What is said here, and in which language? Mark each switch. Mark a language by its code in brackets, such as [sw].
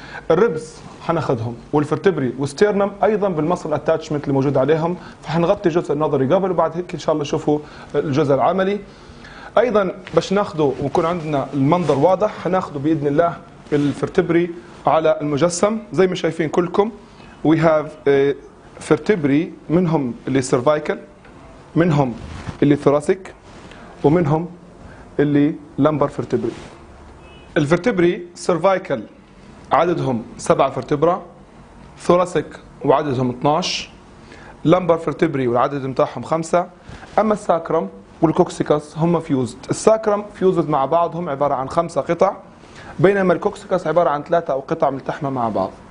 [ar] الريبس حناخذهم والفرتبري والستيرنم ايضا بالمصل اتاتشمنت اللي موجود عليهم، فحنغطي الجزء النظري قبل، وبعد هيك ان شاء الله شوفوا الجزء العملي. ايضا باش ناخذه ويكون عندنا المنظر واضح، حناخذه باذن الله الفرتبري على المجسم زي ما شايفين كلكم. [en] We have vertebrae، [ar] منهم اللي cervical، منهم اللي thoracic، ومنهم اللي lumbar vertebrae. الفرتبري cervical عددهم 7 vertebrae، thoracic وعددهم 12، lumbar vertebrae والعدد متاعهم 5، أما الساكرم والكوكسيكس هم fused. الساكرم fused مع بعضهم عبارة عن 5 قطع، بينما الكوكسيكس عبارة عن 3 أو قطع ملتحمة مع بعض.